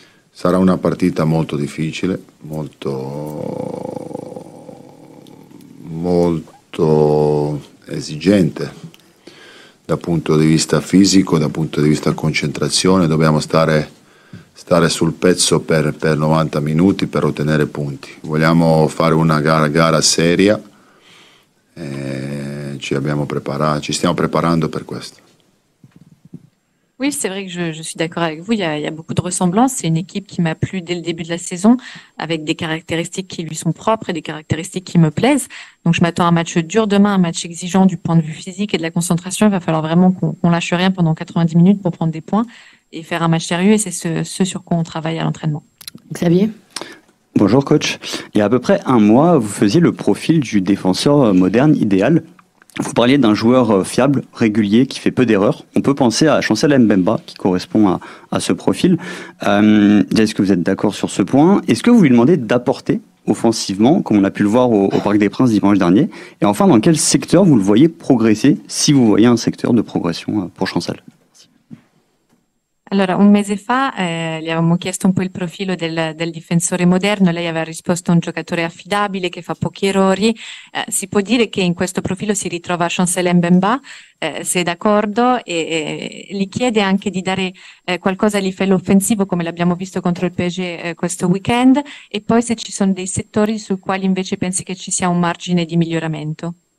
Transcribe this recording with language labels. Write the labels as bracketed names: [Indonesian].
[Italian] Sarà una partita molto difficile, molto, molto esigente dal punto di vista fisico, dal punto di vista concentrazione. Dobbiamo stare sul pezzo per 90 minuti per ottenere punti. Vogliamo fare una gara seria. Ci stiamo preparando per questo. [French] Oui, c'est vrai que je suis d'accord avec vous. Il y a beaucoup de ressemblances. C'est une équipe qui m'a plu dès le début de la saison, avec des caractéristiques qui lui sont propres et des caractéristiques qui me plaisent. Donc, je m'attends à un match dur demain, un match exigeant du point de vue physique et de la concentration. Il va falloir vraiment qu'on lâche rien pendant 90 minutes pour prendre des points et faire un match sérieux. Et c'est ce sur quoi on travaille à l'entraînement. Xavier ? Bonjour coach. Il y a à peu près un mois, vous faisiez le profil du défenseur moderne idéal. Vous parliez d'un joueur fiable, régulier, qui fait peu d'erreurs. On peut penser à Chancel Mbemba, qui correspond à ce profil. Est-ce que vous êtes d'accord sur ce point ? Est-ce que vous lui demandez d'apporter offensivement, comme on a pu le voir au Parc des Princes dimanche dernier ? Et enfin, dans quel secteur vous le voyez progresser, si vous voyez un secteur de progression pour Chancel ? [Italian] Allora, un mese fa gli avevamo chiesto un po' il profilo del difensore moderno, lei aveva risposto un giocatore affidabile che fa pochi errori, si può dire che in questo profilo si ritrova Chancel Mbemba, se è d'accordo, e gli chiede anche di dare qualcosa a livello offensivo come l'abbiamo visto contro il PSG questo weekend, e poi se ci sono dei settori sui quali invece pensi che ci sia un margine di miglioramento.